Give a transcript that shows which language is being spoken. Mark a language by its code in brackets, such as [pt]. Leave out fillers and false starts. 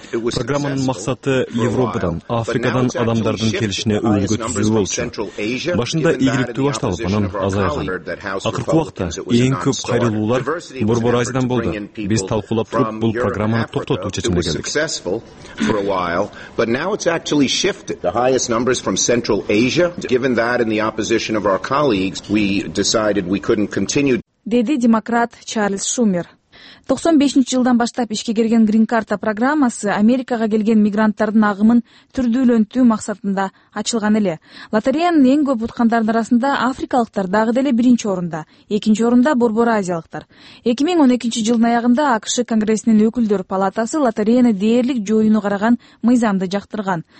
[ky] Программанын максаты Европадан, Африкадан адамдардын келишине үлгү түзүү болчу. Башында ийгиликтүү башталып, анан азайган. Акыркы убакта эң көп кайрылуулар Борбор Азиядан болду. Биз талкуулап туруп, бул программаны токтотуу чечимине келдик. [en] For a while, but now it's actually shifted. The highest numbers from Central Asia. Given that and the opposition of our colleagues, we decided we couldn't continue. [ky] Деди демократ Чарльз Шумер. 95 жылдан баштап ишке кирген Грин Карта программасы Америкага келген мигранттардын агымын түрдүүлөнтүү максатында ачылган эле. Лотереянын эң көп уткандардын арасында африкалыктар дагы деле биринчи орунда, экинчи орунда борбор азиялыктар. 2012 жылдын аягында АКШ Конгрессинин өкүлдөр палатасы лотереяны дээрлик жоюуну караган мыйзамды жактырган.